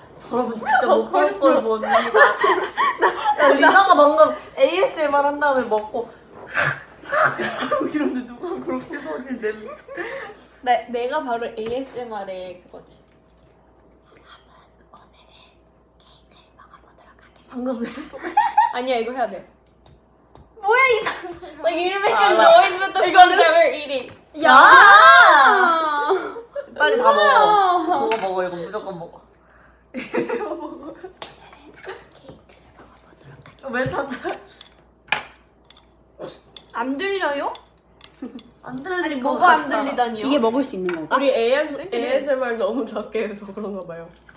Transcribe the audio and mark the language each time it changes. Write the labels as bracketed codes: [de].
[ko] 여러분 진짜 못 볼 걸 못 이거 나 리사가 방금 ASMR 한 다음에 먹고 이러는데 누가 그렇게 소리를 내는데 내가 바로 ASMR의 그거지 한번 오늘의 케이크를 먹어보도록 하겠습니다 방금 내가 똑같이 아니야 이거 해야 돼 뭐야 이상한 [en] like you're making noise with the food that we're eating [ko] 야! 빨리 다 먹어. 그거 먹어, 이거 무조건 먹어. 이거 먹어. 왜 닫아? 안 들려요? 안 들리는 거 뭐가 안 들리다니요? 이게 먹을 수 있는 건가? 우리 ASMR 너무 작게 해서 그런가 봐요.